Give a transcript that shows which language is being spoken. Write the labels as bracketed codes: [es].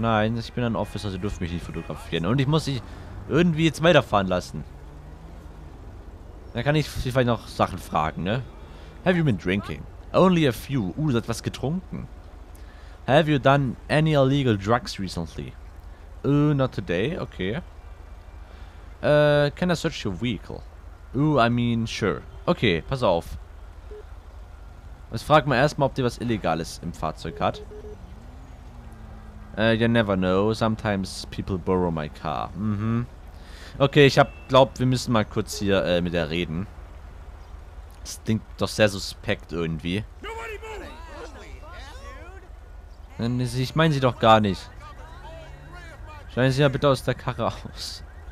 [de] Nein, ich bin ein Officer, Sie dürfen mich nicht fotografieren. Und ich muss Sie irgendwie jetzt weiterfahren lassen. Dann kann ich Sie vielleicht noch Sachen fragen, ne? [en] Have you been drinking? Only a few. [de] Du hast was getrunken. [en] Have you done any illegal drugs recently? Not today. Okay. Can I search your vehicle? Sure. [de] Okay, pass auf. Jetzt frag mal erstmal, ob die was Illegales im Fahrzeug hat. [en] You never know. Sometimes people borrow my car. [de] Okay, ich glaube, wir müssen mal kurz hier mit der reden. Das klingt doch sehr suspekt irgendwie. Ich meine sie doch gar nicht. Schneiden Sie ja bitte aus der Karre aus.